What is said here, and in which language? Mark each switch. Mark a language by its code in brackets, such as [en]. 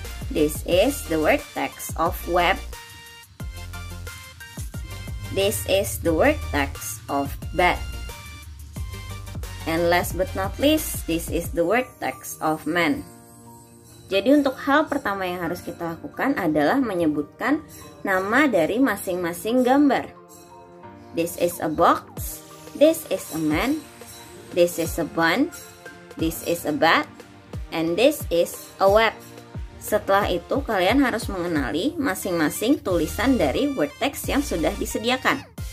[en] This is the word text of web. This is the word text of bed. And last but not least, this is the word text of man. [id] Jadi untuk hal pertama yang harus kita lakukan adalah menyebutkan nama dari masing-masing gambar. [en] This is a box. This is a man. This is a bun. This is a bat, and this is a web. [id] Setelah itu, kalian harus mengenali masing-masing tulisan dari word text yang sudah disediakan.